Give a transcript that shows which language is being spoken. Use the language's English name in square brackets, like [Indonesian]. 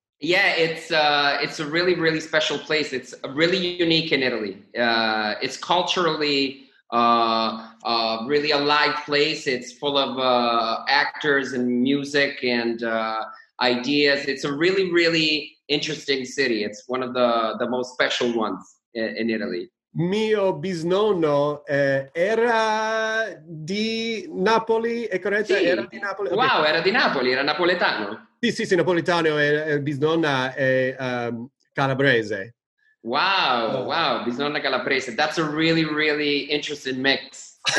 [English] Yeah, it's a really, really special place. It's really unique in Italy. It's culturally really a live place. It's full of actors and music and ideas. It's a really, really interesting city. It's one of the most special ones in Italy. [Italian] Mio bisnonno era di Napoli, è corretto? Sì. Era di Napoli. Okay. Wow, era di Napoli, era napoletano. Sì, sì, sì, napoletano e bisnonna è calabrese. Wow, wow, bisnonna calabrese. [English] That's a really, really interesting mix.